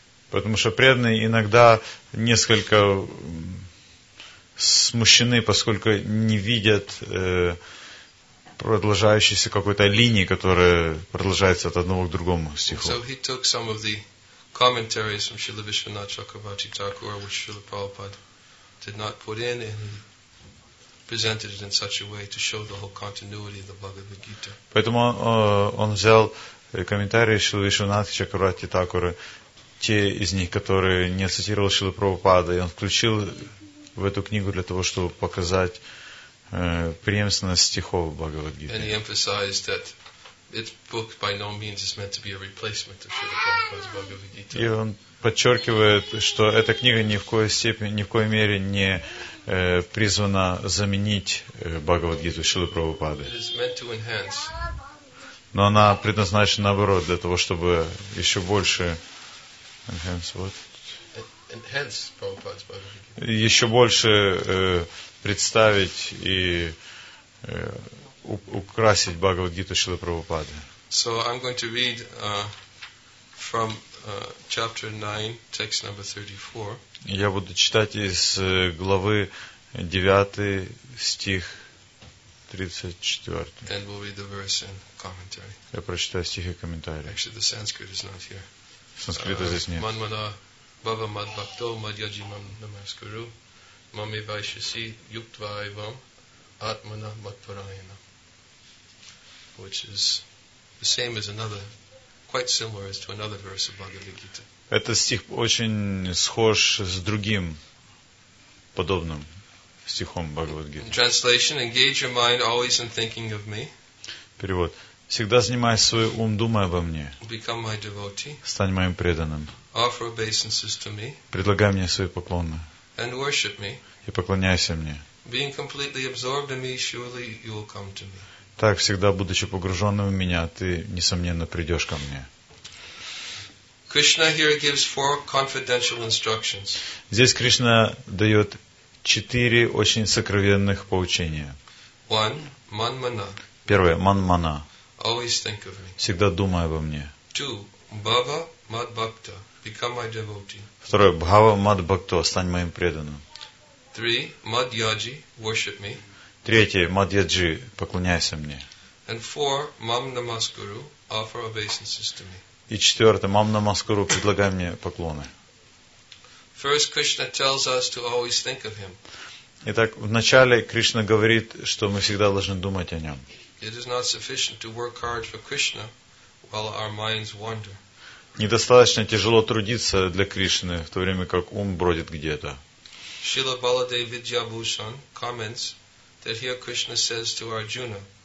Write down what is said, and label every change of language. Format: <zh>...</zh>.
<ru>Потому что преданные иногда несколько смущены, поскольку не видят продолжающейся какой-то линии, которая продолжается от одного к другому стиху.</ru> <en>So he took some of the commentaries from Srila Vishwanath Chakravarti Thakur, which Srila Prabhupada did not put in, and presented it in such a way to show the whole continuity of the Bhagavad Gita.</en> <ru>Поэтому он взял комментарии Шрилы Вишванатха Чакраварти Такуры, те из них, которые не цитировал Шрилы Прабхупада, и он включил в эту книгу для того, чтобы показать преемственность стихов Бхагавад Гиты.</ru> <en>And he emphasized that its book by no means is meant to be a replacement of Srila Prabhupada's Bhagavad Gita.</en> <ru>И он подчеркивает, что эта книга ни в коей мере не призвана заменить Бхагавад Гиту Шрилы Прабхупады.</ru> <en>It is meant to enhance.</en> <ru>Но она предназначена наоборот для того, чтобы еще больше</ru> <en>enhance what? Enhance Prabhupada's Bhagavad Gita.</en> <ru>Еще больше представить и украсить Бхагавад Гиту Шрилы Прабхупады.</ru> <en>So I'm going to read from chapter 9, text number 34.</en> <ru>Я буду читать из главы 9, стих 34.</ru> <en>And we'll read the verse and commentary.</en> <ru>Я прочитаю стих и комментарий.</ru> <en>Actually, the Sanskrit is not here.</en> <ru>Санскрита здесь нет.</ru> <sa>Манмана бхава мад бхакто мадьяджи мам намаскару маме вайшаси юктва айвам атмана матпарайана.</sa> <en>Which is the same as another, quite similar as to another verse of Bhagavad Gita.</en> <ru>Этот стих очень схож с другим подобным стихом Бхагавад Гиты.</ru> <en>Translation: Engage your mind always in thinking of me.</en> <ru>Перевод: Всегда занимай свой ум, думай обо мне.</ru> <en>Become my devotee.</en> <ru>Стань моим преданным.</ru> <en>Offer obeisances to me.</en> <ru>Предлагай мне свои поклоны.</ru> <en>And worship me.</en> <ru>И поклоняйся мне.</ru> <en>Being completely absorbed in me, surely you will come to me.</en> <ru>Так, всегда будучи погруженным в меня, ты, несомненно, придешь ко мне.</ru> <en>Krishna here gives four confidential instructions.</en> <ru>Здесь Кришна дает четыре очень сокровенных поучения.</ru> <en>One, manmana.</en> <ru>Первое, манмана.</ru> <en>Always think of me.</en> <ru>Всегда думай обо мне.</ru> <en>Two,</en> <sa>bhava mad bhakta.</sa> <en>Become my devotee.</en> <ru>Второе,</ru> <sa>bhava mad bhakto.</sa> <ru>Стань моим преданным.</ru> <en>Three,</en> <sa>mad yaji.</sa> <en>Worship me.</en> <ru>Третье,</ru> <sa>mad yaji.</sa> <ru>Поклоняйся мне.</ru> <en>And four,</en> <sa>mam namaskuru.</sa> <en>Offer obeisances to me.</en> <ru>И четвертое,</ru> <sa>мам намаскуру,</sa> <ru>предлагай мне поклоны.</ru> <en>First, Krishna tells us to always think of him.</en> <ru>Итак, вначале Кришна говорит, что мы всегда должны думать о нем.</ru> <en>It is not sufficient to work hard for Krishna while our minds wander.</en> <ru>Недостаточно тяжело трудиться для Кришны, в то время как ум бродит где-то.</ru> <en>Srila Baladeva Vidyabhushan comments that here Krishna says to Arjuna.</en>